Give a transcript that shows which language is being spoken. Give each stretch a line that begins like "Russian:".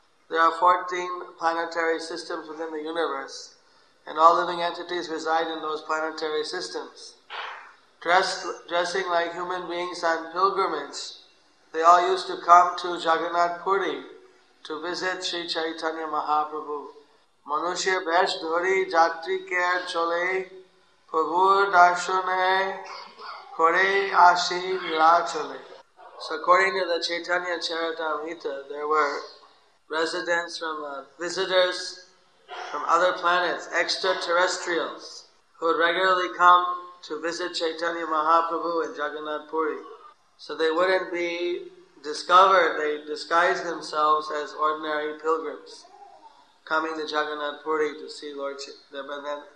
English: There are 14 planetary systems within the universe, and all living entities reside in those planetary systems. Dressing like human beings on pilgrimage, they all used to come to Jagannath Puri to visit Sri Chaitanya Mahaprabhu.
Bangla: মনুষ্য বেশ ধরি যাত্রীকে চলে প্রভুর দর্শনে করে আসি নীলা চলে।
English: So according to the Chaitanya Charitamrita, there were residents from visitors from other planets, extraterrestrials, who would regularly come to visit Chaitanya Mahaprabhu in Jagannath Puri. So they wouldn't be discovered, they disguised themselves as ordinary pilgrims coming to Jagannath Puri to see Lord Chaitanya.